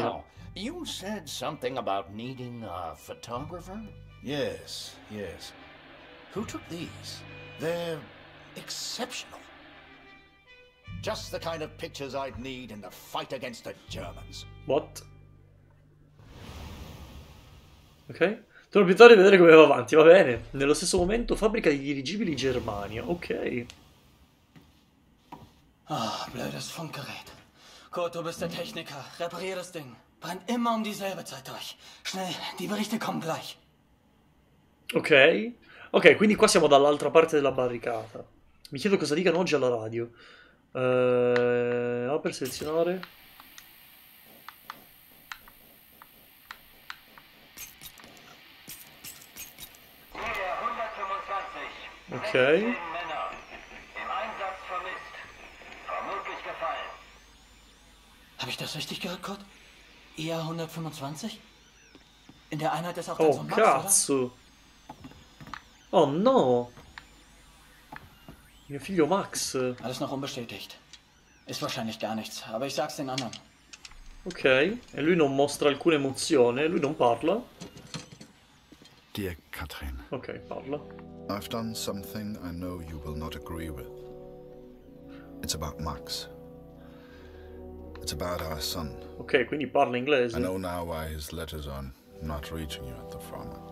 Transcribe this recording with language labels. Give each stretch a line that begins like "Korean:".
English: Now, you said something about needing a photographer? Yes, yes. Who took these? They're exceptional. Just the kind of pictures I'd need in the fight against the Germans. What? Ok.
Italian: Torno più tardi a vedere come va avanti, va bene. Nello stesso momento, fabbrica di dirigibili Germania, ok.
German: Ah, blödes Funkgerät. Kurt, du bist der Techniker. Reparier das Ding. Brennt immer um dieselbe Zeit durch. Schnell, die Berichte kommen gleich.
Italian: Ok, ok, quindi qua siamo dall'altra parte della barricata. Mi chiedo cosa dicano oggi alla radio. Va per selezionare. Ok.
German: Habe ich das richtig gehört, Kurt? IA 125? In der Einheit ist auch der Max,
Italian: cazzo. Oh no! Mio figlio Max.
German: Alles noch unbestätigt. Ist wahrscheinlich gar nichts, aber ich sag's den anderen.
Italian: Ok, e lui non mostra alcuna emozione, lui non parla.
English: Dear Katrin.
Italian: Ok, parla.
English: I've done something I know you will not agree with. It's about Max. It's about our son.
Italian: Ok, quindi parla inglese.
English: I know now why his letters are not reaching you at the farm.